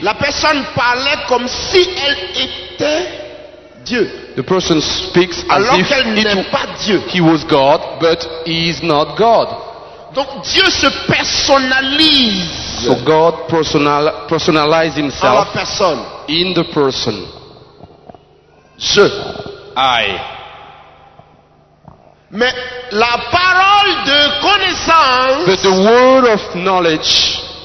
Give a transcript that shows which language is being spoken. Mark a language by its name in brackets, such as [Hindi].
[French] La personne parlait comme si elle était Dieu. [English] The person speaks [French] alors [English] as if [French] qu'elle n'est pas Dieu. [English] He was God, but he is not God. [French] Donc Dieu se personnalise. [English] So God personalize himself. [French] En la personne. [English] In the person. [French] Je. [English] I. [French] Mais la parole de connaissance. [English] But the word of knowledge.